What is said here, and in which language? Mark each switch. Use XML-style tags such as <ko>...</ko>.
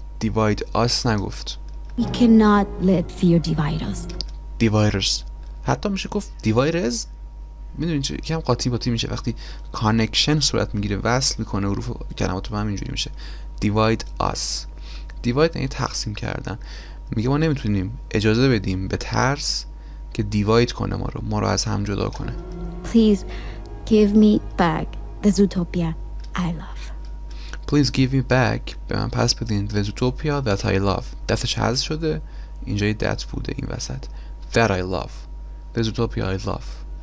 <en>Divide us</en> <fa>نگفت.</fa> <en>We cannot let fear divide us. Divide us.</en> <fa>حتی میشه گفت دیوایرز، میدونین چه یکم قاطی باطی میشه وقتی کانکشن صورت میگیره، وصل میکنه حروف و کلمات رو هم، اینجوری میشه دیواید آس. دیواید یعنی تقسیم کردن. میگه ما نمیتونیم اجازه بدیم به ترس که دیواید کنه ما رو، ما رو از هم جدا کنه.</fa> <en>Please give me back the Zootopia I love. Please give me back,</en> <fa>به من پس بدین</fa> <en>the Zootopia that I love.</en> <fa>دستش حذف شده، اینجای that بوده این وسط.</fa> <en>That I love. The Zootopia I love.</en>